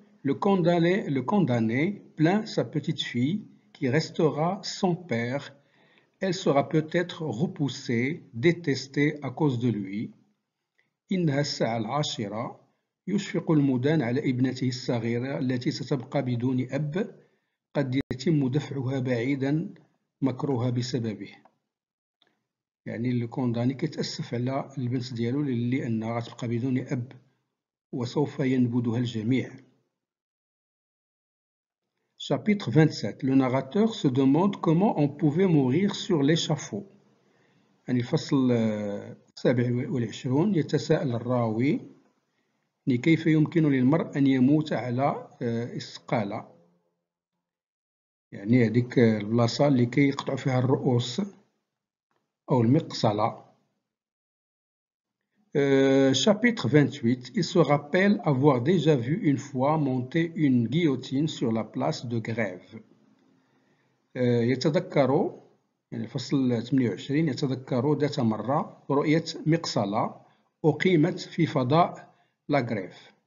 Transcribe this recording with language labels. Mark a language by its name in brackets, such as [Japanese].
[French] Le condamné plaint sa petite fille qui restera sans père. Elle sera peut-être repoussée, détestée à cause de lui. [Arabic] إنها الساعة العاشرة. يشفق المدان على ابنته الصغيرة التي ستبقى بدون أب، قد يتم دفعها بعيدا مكروها بسببه. يعني الكونداني كيتأسف على البنت ديالو لأنها غتبقى بدون أب وسوف ينبذها الجميع. [French] Chapitre 27. Le narrateur se demande comment on pouvait mourir sur l'échafaud. [Arabic] يعني الفصل 27، يتساءل الراوي كيف يمكن للمرء أن يموت على استقالة، يعني هذيك البلاصة اللي كي يقطع فيها الرؤوس أو المقصلة. [French] Chapitre 28. Il se rappelle avoir déjà vu une fois monter une guillotine sur la place de grève. [Arabic] يتذكر، يعني الفصل 28، يتذكر ذات مرة رؤية مقصلة أقيمت في فضاء la grève.